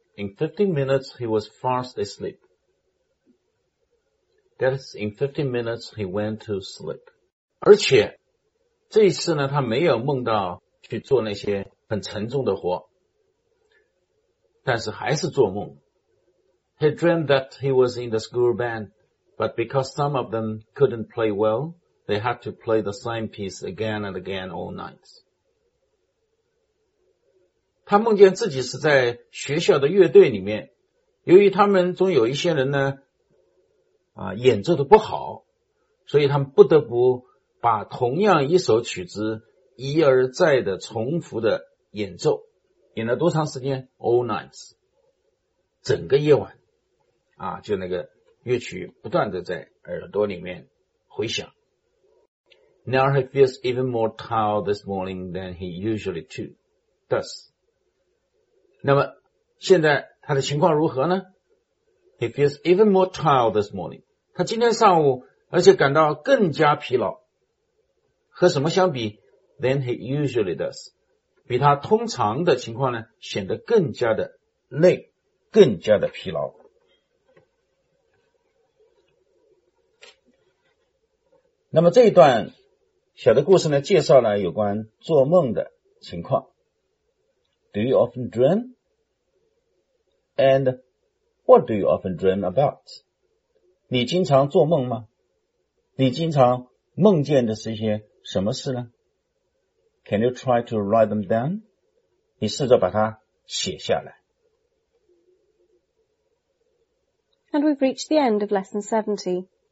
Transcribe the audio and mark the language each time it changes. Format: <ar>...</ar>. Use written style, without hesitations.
<en>In 15 minutes, he was fast asleep. That's in 15 minutes he went to sleep.</en> <zh>而且这一次呢，他没有梦到去做那些很沉重的活，但是还是做梦。</zh> <en>He dreamed that he was in the school band, but because some of them couldn't play well, they had to play the same piece again and again all night.</en> <zh>他梦见自己是在学校的乐队里面，由于他们总有一些人呢，演奏的不好，所以他们不得不把同样一首曲子一而再的重复的演奏，演了多长时间 ？</zh> <en>All nights，</en> <zh>整个夜晚，啊，就那个乐曲不断的在耳朵里面回响。</zh> <en>Now he feels even more tired this morning than he usually does.</en> <zh>那么现在他的情况如何呢</zh> <en>？He feels even more tired this morning.</en> <zh>他今天上午而且感到更加疲劳，和什么相比</zh> <en>？Than he usually does.</en> <zh>比他通常的情况呢，显得更加的累，更加的疲劳。那么这一段小的故事呢，介绍了有关做梦的情况。</zh> <en>Do you often dream? And what do you often dream about?</en> <zh>你经常做梦吗？你经常梦见的是一些什么事呢？</zh> <en>Can you try to write them down?</en> <zh>你试着把它写下来。</zh> <en>And we've reached the end of lesson 70.</en>